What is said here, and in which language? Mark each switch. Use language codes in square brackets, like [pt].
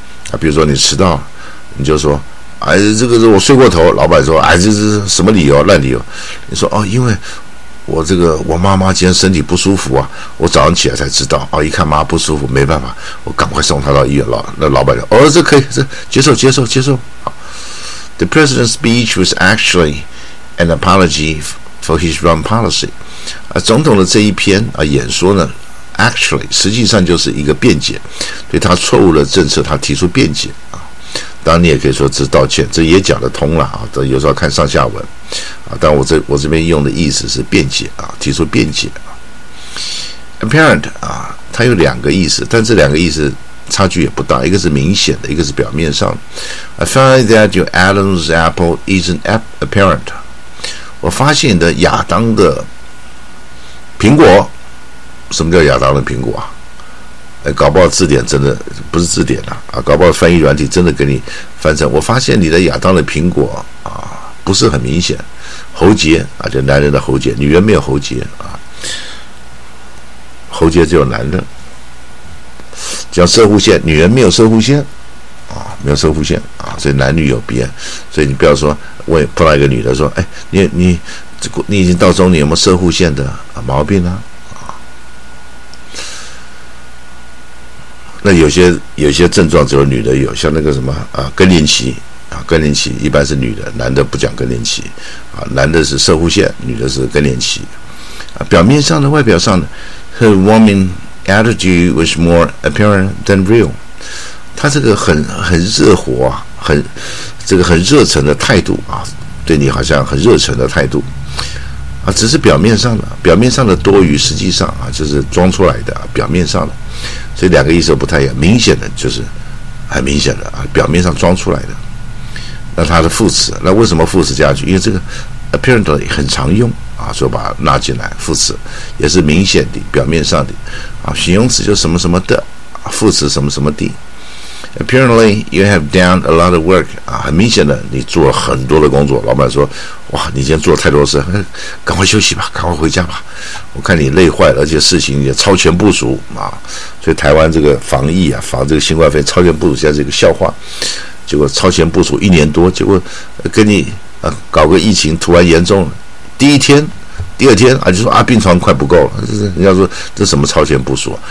[zh] 啊，比如说你迟到，你就说。哎，这个是我睡过头，老板说，哎，这是什么理由？烂理由。你说哦，因为我这个我妈妈今天身体不舒服啊，我早上起来才知道哦，一看妈不舒服，没办法，我赶快送她到医院了。那老板说，哦，这可以，这接受。 [en] 好 ，The president's speech was actually an apology for his wrong policy。 [zh] 啊，总统的这一篇啊演说呢 ，actually 实际上就是一个辩解，对他错误的政策他提出辩解啊。当然你也可以说只道歉，这也讲得通了啊。这有时候看上下文啊，但我这边用的意思是辩解啊，提出辩解啊。 apparent 啊，它有两个意思，但这两个意思差距也不大，一个是明显的，一个是表面上。 [en] I find that your Adam's apple isn't apparent. [zh] 我发现的亚当的苹果，什么叫亚当的苹果啊？哎，搞不好字典真的不是字典啊，啊，搞不好翻译软体真的给你翻成。我发现你的亚当的苹果啊，不是很明显，喉结啊，就男人的喉结，女人没有喉结啊，喉结只有男的。叫射护线，女人没有射护线啊，没有射护线啊，所以男女有别。所以你不要说，我也碰到一个女的说，哎，你已经到中年，有没有射护线的毛病呢？那有些症状只有女的有，像那个什么啊，更年期啊，更年期一般是女的，男的不讲更年期啊，男的是射护线，女的是更年期啊。表面上的，外表上的 [en] ，her warming attitude was more apparent than real。 [zh] 她这个很热火啊，很热忱的态度啊，对你好像很热忱的态度啊，只是表面上的多余，实际上啊，就是装出来的，表面上的。所以两个意思不太一样，明显的就是很明显的啊，表面上装出来的。那它的副词，那为什么副词加去？因为这个 apparently 很常用啊，所以把它拉进来。副词也是明显的，表面上的啊。形容词就什么什么的，副词什么什么的。 [en] Apparently you have done a lot of work [zh] 啊，很明显的你做了很多的工作。老板说，哇，你今天做了太多事，赶快休息吧，赶快回家吧，我看你累坏了，而且事情也超前部署啊。所以台湾这个防疫啊，防这个新冠肺炎超前部署现在是一个笑话。结果超前部署一年多，结果跟你啊搞个疫情突然严重了，第一天第二天啊就说啊病床快不够了，就是人家说这什么超前部署啊？